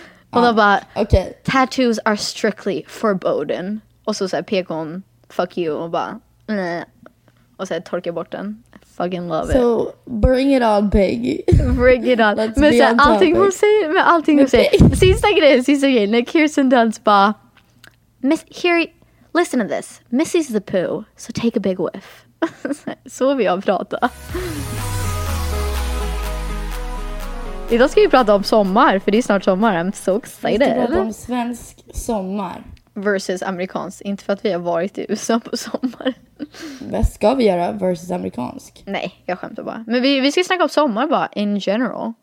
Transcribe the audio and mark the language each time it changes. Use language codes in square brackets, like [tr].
[sv] Och då bara, [en] tattoos are strictly forbidden. [sv] Och så säger pekon, [en] fuck you. [sv] Och bara, nej. Och så torkar bort den. [en] I fucking love it. So, bring it on, Peggy. Bring it on. [sv] Men så allting hon säger, med allting hon säger. Sista grejen. När Kirsten Dunst bara, [en] listen to this. Missy's the poo, so take a big whiff. [sv] Så vill jag prata. Idag ska vi prata om sommar, för det är snart sommar. [en] I'm so excited. [sv] Vi ska prata om svensk sommar. Versus amerikansk. Inte för att vi har varit i USA på sommar. Vad ska vi göra versus amerikansk? Nej, jag skämtar bara. Men vi ska snacka om sommar bara, [en] in general.